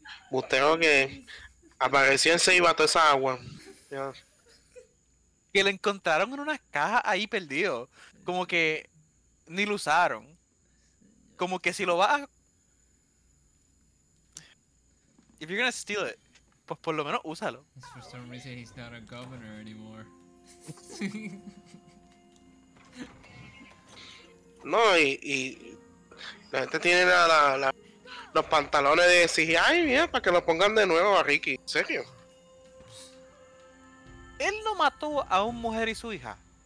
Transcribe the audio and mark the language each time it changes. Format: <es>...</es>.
<es>Usted lo que apareció en Ceiba toda esa agua. Que le encontraron en unas cajas ahí perdido. Como que ni lo usaron. Como que si lo vas a...</es> <en>If you're gonna steal it, pues por lo menos úsalo. For some reason he's not a governor anymore.</en> <es>No, y la gente tiene la los pantalones de decir, ay, mira, para que lo pongan de nuevo a Ricky. ¿En serio? ¿Él no mató a un mujer y su hija?</es>